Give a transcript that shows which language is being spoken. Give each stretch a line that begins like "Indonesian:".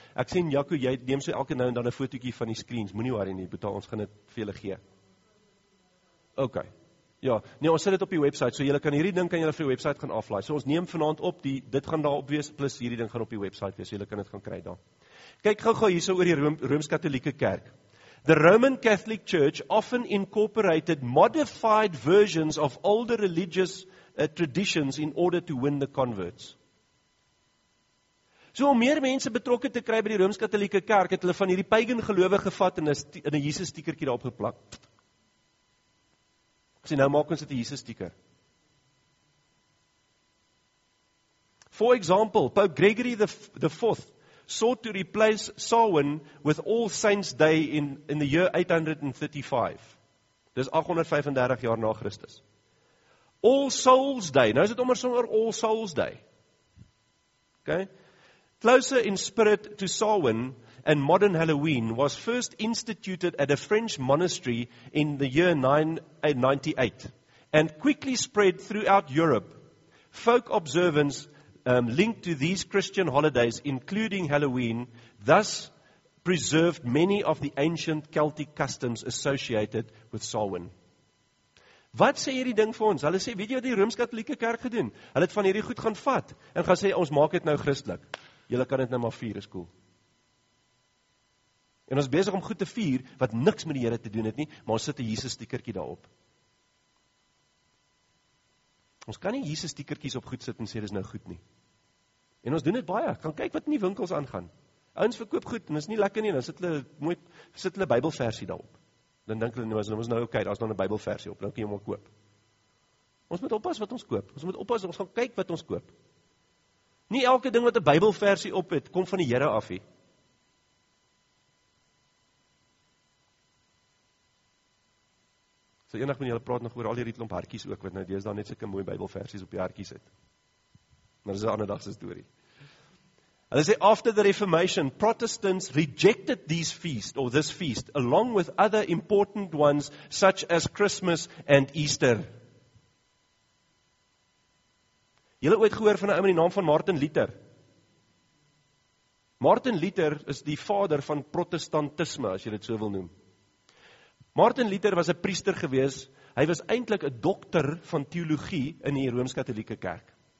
Afrikaans: Ek sien Jaco, jy neem so elke nou en dan 'n fotootjie van die screens. Moenie worry nie, betaal ons gaan dit vir julle gee. OK. Ja, nee, ons sit dit op die website, so julle kan hierdie ding kan julle vir die website gaan aflaai. So ons neem vanaand op die dit gaan daar op wees plus hierdie ding gaan op die website wees. So julle kan dit gaan kry daar. Kyk gou-gou hierso oor die Rooms-Katolieke Kerk.
English: The Roman Catholic Church often incorporated modified versions of older religious traditions in order to win the converts.
Afrikaans: So om meer mense betrokke te kry by die Rooms-Katolieke Kerk, het hulle van hierdie pagan gelowe gevat en in 'n Jesus stikertjie daarop geplak. Sien nou maak ons dit 'n Jesus stiker.
English: For example, Pope Gregory the 4th sought to replace Samhain with All Saints Day in the year 835.
Afrikaans: Dis 835 jaar na Christus. All Souls Day. Nou is dit ommer sommer All Souls Day. Okay?
English: Closer in spirit to Samhain and modern Halloween was first instituted at a French monastery in the year 998 and quickly spread throughout Europe. Folk observance linked to these Christian holidays, including Halloween, thus preserved many of the ancient Celtic customs associated with Samhain.
Afrikaans: Wat sê hierdie ding vir ons? Hulle sê, weet jy wat die Rooms-Katolieke Kerk gedoen? Hulle het van hierdie goed gaan vat, en gaan sê, ons maak het nou christelik. Julle kan het nou maar vier, is cool. En ons besig om goed te vier, wat niks met die Here te doen het nie, maar ons sit 'n Jesus stikertjie daarop. Ons kan nie Jesus stikertjies op goed sit en sê dis nou goed nie. En ons doen dit baie. Gaan kyk wat in die winkels aangaan. Ouens verkoop goed en dis nie lekker nie. Dan sit hulle mooi sit hulle Bybelversie daarop. Dan dink hulle nou as ons nou oké, okay, daar's dan 'n Bybelversie op. Nou kan jy hom al koop. Ons moet oppas wat ons koop. Ons moet oppas, ons gaan kyk wat ons koop. Nie elke ding wat 'n Bybelversie op het, kom van die Here af nie. So enig met julle praat nog oor al hierdie klomp hartjies ook, wat nou deesdae net sulke mooi Bybelversies op die hartjies het. Maar dis 'n ander dag se storie. Hulle sê,
English: after the Reformation, Protestants rejected these feasts, or this feast, along with other important ones, such as Christmas and Easter.
Afrikaans: Julle ooit gehoor van 'n ou met die naam van Martin Luther? Martin Luther is die vader van protestantisme, as jy dit so wil noem. Martin Luther was 'n priester gewees, hy was eintlik 'n dokter van teologie in die Rooms-Katolieke Kerk.